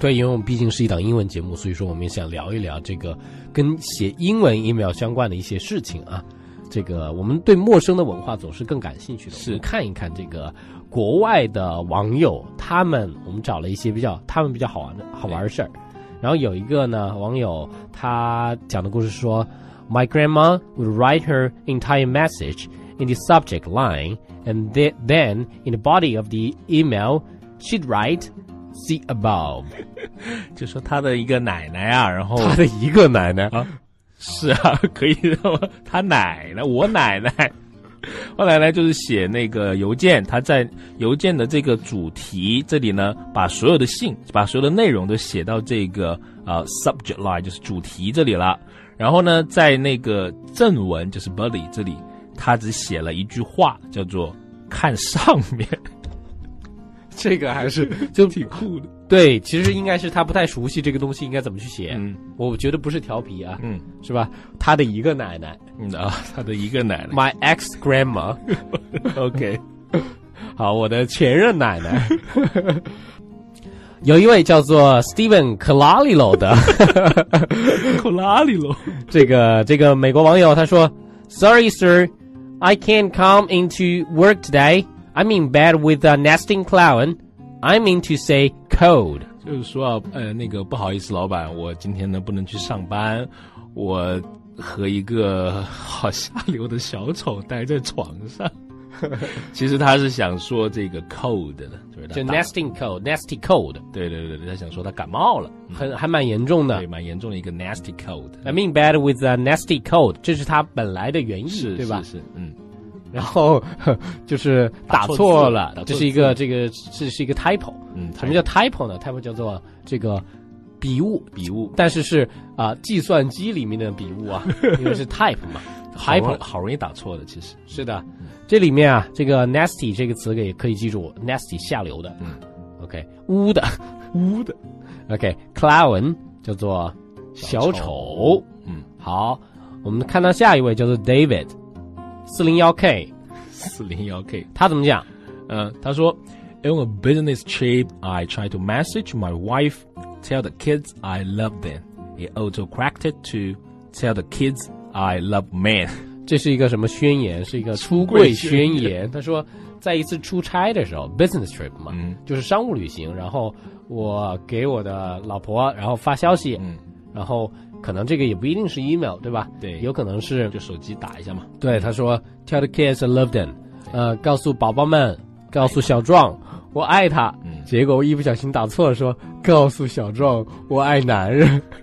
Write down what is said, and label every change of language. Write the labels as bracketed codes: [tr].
[zh] 对，因为我们毕竟是一档英文节目，所以说我们想聊一聊这个跟写英文 email 相关的一些事情啊。这个我们对陌生的文化总是更感兴趣的，是看一看这个国外的网友，他们我们找了一些比较好玩的事儿。然后有一个呢网友他讲的故事说 [en] My grandma would write her entire message in the subject line and then in the body of the email she'd write see above [zh] 就说他的一个奶奶啊，然后他的一个奶奶啊，是啊，可以他奶奶，我奶奶，我奶奶就是写那个邮件，她在邮件的这个主题这里呢，把所有的信，把所有的内容都写到这个 [en] subject line， [zh] 就是主题这里了。然后呢，在那个正文，就是 body 这里，她只写了一句话，叫做“看上面”。这个还是就挺酷的。对，其实应该是她不太熟悉这个东西应该怎么去写。嗯，我觉得不是调皮啊。嗯，是吧？她的一个奶奶。啊、嗯，他的一个奶奶 [en] ，My ex grandma， OK， [zh] 好，我的前任奶奶，有一位叫做 Steven Colalilo 的，Colalilo，这个美国网友他说 [en] ，Sorry sir， I can't come into work today， I'm in bed with a nesting clown， I mean to say cold， [zh] 就是说、啊、那个不好意思，老板，我今天呢不能去上班，我。和一个好下流的小丑待在床上，其实他是想说这个 cold 的，就 [en] nesting cold， nasty cold， [zh] 对对对，他想说他感冒了，还蛮严重的，对，蛮严重的一个 [en] nasty cold。 I'm in bed with a nasty cold， [zh] 这是他本来的原意，是，对吧？是嗯，然后就是打错了，这是一个这是一个 typo。嗯，什么叫 typo 呢？ typo 叫做这个笔误，但是计算机里面的笔误啊，因为是 type 嘛，好容易打错的，其实是的、嗯。这里面啊，这个 nasty 这个词也可以记住 ，nasty 下流的，嗯，OK， 污的，污的 [en] ，OK，clown、okay, [zh] 叫做小丑，嗯，好，我们看到下一位叫做 David， 401K， 401K，他怎么讲？他说用 [en] a business trip, I try to message my wife, tell the kids I love them. He auto corrected to tell the kids I love men. [zh] 这是一个什么宣言？是一个出柜宣言。他说，在一次出差的时候 ， [en] business trip [zh] 嘛、嗯，就是商务旅行。然后我给我的老婆，然后发消息，嗯、然后。可能这个也不一定是 email 对吧，对，有可能是就手机打一下嘛，对，他说 [en] tell the kids I love them， [zh] 告诉宝宝们，告诉小壮我爱他、嗯、结果我一不小心打错了，说告诉小壮我爱男人。